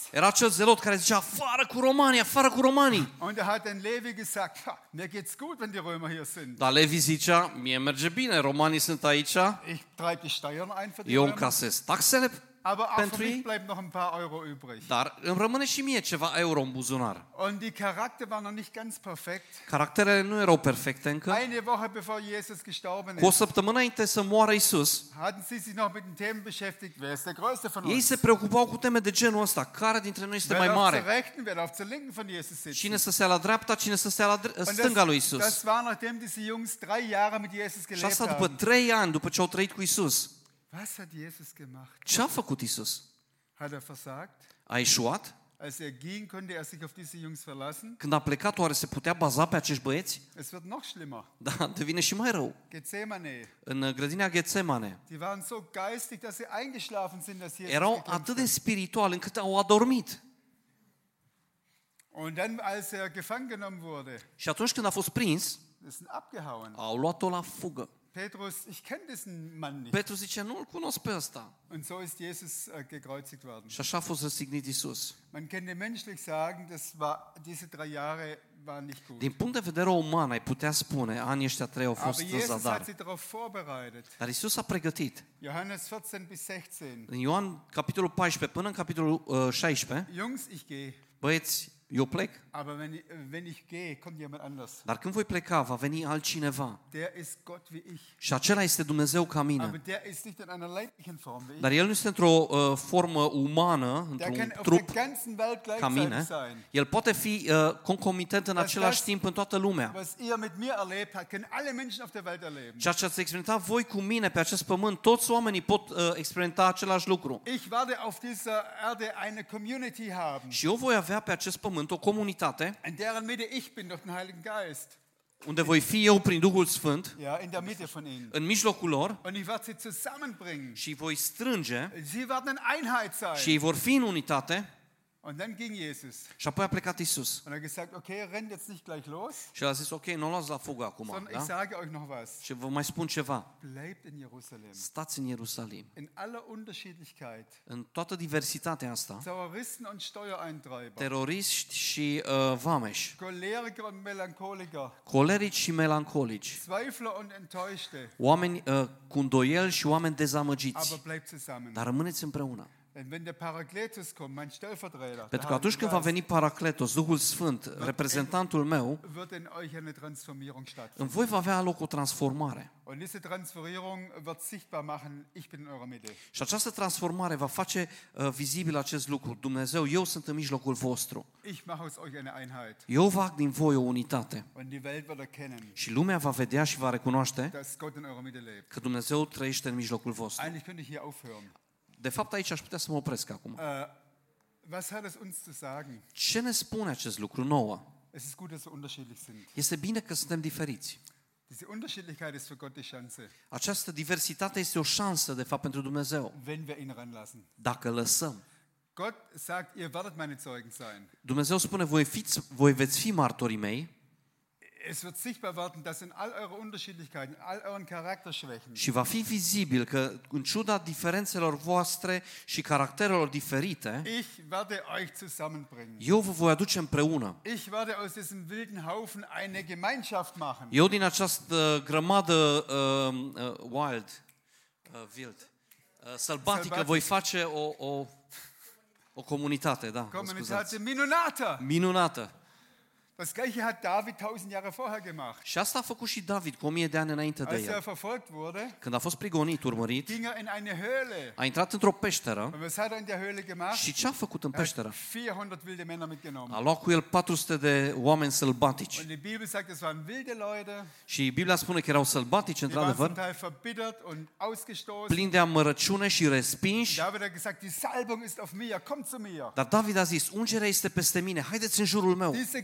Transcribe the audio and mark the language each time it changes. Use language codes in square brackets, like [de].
[ro] Era acel zelot care zicea, afară cu romanii, afară cu romanii. [de] Und er hat den Levi gesagt, mir geht's gut, wenn die Römer hier sind. [ro] Da Levi zicea, mie merge bine, romanii sunt aici. [de] Ich treib die Steuern ein für die [ro] Römer. Eu încasez taxele. [de] Aber auch für mich bleibt noch ein paar Euro übrig. [ro] Dar îmi rămâne și mie ceva euro în buzunar. [de] Und die Charakter war noch nicht ganz perfekt. [ro] Caracterele nu erau perfecte încă. [de] Eine Woche bevor Jesus gestorben ist. [ro] Cu o săptămână înainte să moară Iisus. [de] Hatten sie sich noch mit den Themen beschäftigt, wer ist der größte von uns? [ro] Ei se preocupau cu teme de genul ăsta, care dintre noi este mai mare? [de] Wer auf der rechten, wer auf der linken von Jesus sitzt? [ro] Cine să stea la dreapta, cine să stea la stânga lui Iisus? [de] Das war nachdem diese Jungs 3 Jahre mit Jesus gelebt haben. [ro] Și asta după 3 ani după ce au trăit cu Iisus. [de] Was hat Jesus gemacht? [ro] Ce a făcut Iisus? [de] Hat er versagt? [ro] A eșuat? [de] Als er ging, konnte er sich auf diese Jungs verlassen? [ro] Când a plecat, oare se putea baza pe acești băieți? [de] Es wird noch schlimmer. [ro] Da, devine și mai rău. [de] Gethsemane. [ro] În grădina Gethsemane. [de] Die waren so geistig, dass sie eingeschlafen sind, dass Jesus. [ro] Erau atât de spiritual încât au adormit. [de] Und dann als er gefangen genommen wurde. [ro] Și atunci când a fost prins, [de] sind abgehauen. [ro] Au luat-o la fugă. [de] Petrus, ich kenne diesen Mann nicht. [ro] Petrus zice, nu-l cunosc pe ăsta. [de] Und so ist Jesus gekreuzigt worden. [ro] Și așa a fost răstignit Iisus. [de] Man könnte menschlich sagen, das war diese 3 Jahre waren nicht gut. [ro] Din punct de vedere uman ai putea spune, anii ăștia 3 au fost zadar. [de] Aber Jesus hat sie darauf vorbereitet. [ro] Dar Iisus a pregătit. [de] Johannes 14 bis 16. [ro] În Ioan capitolul 14 până în capitolul 16. [de] Jungs, ich gehe. [ro] Băieți, Eu plec. [de] Aber wenn ich gehe, kommt jemand anders. [ro] Dar când voi pleca, va veni altcineva. [de] Der ist Gott wie ich. [ro] Și acela este Dumnezeu ca mine. [de] Aber der ist nicht in einer leiblichen Form wie ich. [ro] Dar el nu este într-o formă umană, într-un [de] der [ro] trup [de] kann auf der ganzen Welt gleichzeitig [ro] ca mine. [de] Sein. [ro] El poate fi concomitent în același timp în toată lumea. [de] Was ihr mit mir erlebt habt, können alle Menschen auf der Welt erleben. [ro] Ceea ce ați experimentat voi cu mine pe acest pământ, toți oamenii pot experimenta același lucru. [de] Ich werde auf dieser Erde eine Community haben. [ro] Și eu voi avea pe acest pământ într-o comunitate. [de] In deren Mitte ich bin durch den Heiligen Geist. [ro] Unde voi fi eu prin Duhul Sfânt. [de] Ja, in der Mitte von ihnen. [ro] În mijlocul lor. [de] Und ich werde sie zusammenbringen. [ro] Și voi strânge. [de] Sie werden in Einheit sein. [ro] Și vor fi în unitate. [de] Und dann ging Jesus. [ro] Și apoi a plecat Iisus. [de] Und er gesagt, okay, rennt jetzt nicht gleich los. [ro] Și a zis, okay, nu luați la fugă acum, [de] da? Ich sage euch noch was. [ro] Și vă mai spun ceva. [de] Bleibt in Jerusalem. [ro] Stați în Ierusalim. [de] In aller Unterschiedlichkeit. [ro] În toată diversitatea asta. [de] Terroristen und Steuereintreiber. [ro] Teroriști și vameși. [de] Choleriker und Melancholiker. [ro] Colerici și melancolici. [de] Zweifler und Enttäuschte. [ro] Oameni cu îndoieli și oameni dezamăgiți. [de] Aber bleibt zusammen. [ro] Dar rămâneți împreună. [de] Und wenn der Parakletos kommt, mein Stellvertreter. [ro] Pentru că atunci când va veni Paracletos, Duhul Sfânt, reprezentantul meu, [de] wird in euch eine Transformierung stattfinden. [ro] În voi va avea loc o transformare. [de] Und diese Transformierung wird sichtbar machen, ich bin in eurer Mitte. [ro] Și această transformare va face vizibil acest lucru. Dumnezeu, eu sunt în mijlocul vostru. [de] Ich mache aus euch eine Einheit. [ro] Eu fac din voi o unitate. [de] Und die Welt wird erkennen. [ro] Și lumea va vedea și va recunoaște [de] dass Gott in eurer Mitte lebt. [ro] Că Dumnezeu trăiește în mijlocul vostru. [de] Eigentlich könnte ich hier aufhören. [ro] De fapt aici aș putea să mă opresc acum. [de] Was hat es uns zu sagen? [ro] Ce ne spune acest lucru nouă? [de] Es ist gut, dass wir unterschiedlich sind. [ro] Este bine că suntem diferiți. [de] Diese Unterschiedlichkeit ist für Gott die Chance. [ro] Această diversitate este o șansă de fapt pentru Dumnezeu. [de] Wenn wir ihn ranlassen. [ro] Dacă lăsăm. [de] Gott sagt, ihr werdet meine Zeugen sein. [ro] Dumnezeu spune, voi veți fi martorii mei. [de] Es wird sichtbar werden, dass in all eure Unterschiedlichkeiten, in all euren Charakterschwächen. [ro] Și va fi vizibil că în ciuda diferențelor voastre și caracterelor diferite. [de] Ich werde euch zusammenbringen. [ro] Eu vă voi aduce împreună. [de] Ich werde aus diesem wilden Haufen eine Gemeinschaft machen. [ro] Eu din această grămadă [de] wild wild [ro] sălbatică voi face o comunitate, da, comunitate minunată. Minunată. [de] Das gleiche hat David 1000 Jahre vorher gemacht. [ro] Și asta a făcut și David cu 1000 de ani înainte de el. [de] Als er verfolgt wurde, [ro] când a fost prigonit, urmărit, [de] ging er in eine Höhle. [ro] A intrat într-o peșteră. [de] Und was hat er in der Höhle gemacht? [ro] Și ce a făcut în peșteră? [de] 400 wilde Männer mitgenommen. [ro] A luat cu el 400 de oameni sălbatici. [de] Und die Bibel sagt, es waren wilde Leute. [ro] Și Biblia spune că erau sălbatici, într-adevăr. [de] Die waren zum Teil verbittert und ausgestoßen. [ro] Plini de amărăciune și respinși. [de] David a gesagt, die Salbung ist auf mir, komm zu mir. [ro] Dar David a zis, ungerea este peste mine, haideți în jurul meu.